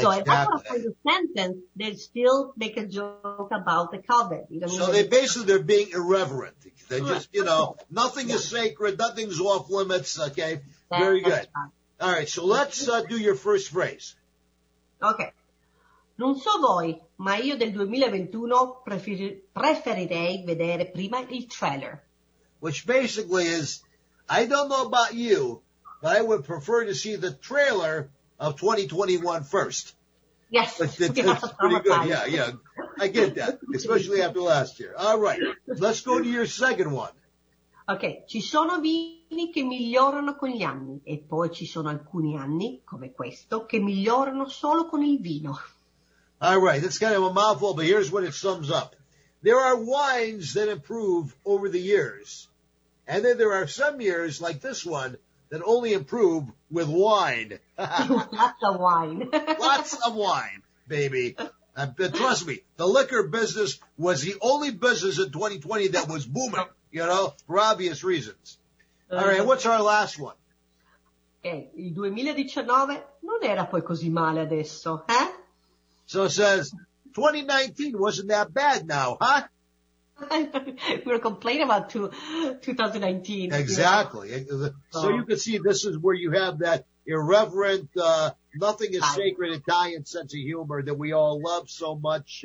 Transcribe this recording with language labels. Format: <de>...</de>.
<en>So if I want to find a sentence, they still make a joke about the COVID. You know, so they basically, they're being irreverent. They just, nothing is sacred. Nothing's off limits. Okay. Very good. All right. So let's do your first phrase. Okay.</en> <it>Non so voi, ma io del 2021 preferirei vedere prima il trailer.</it> <en>Which basically is, I don't know about you, but I would prefer to see the trailer of 2021 first. Yes. It's pretty good. Time. Yeah, yeah. I get that, especially after last year. All right. Let's go to your second one. Okay.</en> <it>Ci sono vini che migliorano con gli anni, e poi ci sono alcuni anni, come questo, che migliorano solo con il vino.</it> <en>All right. That's kind of a mouthful, but here's what it sums up. There are wines that improve over the years, and then there are some years, like this one, that only improve with wine. Lots of wine. Lots of wine, baby. Trust me, the liquor business was the only business in 2020 that was booming, for obvious reasons. All right, what's our last one?</en> <it>Okay, il 2019 non era poi così male adesso, eh?</it> <en>So it says, 2019 wasn't that bad now, huh? We were complaining about 2019. Exactly. So you can see this is where you have that irreverent, nothing is sacred Italian sense of humor that we all love so much.</en>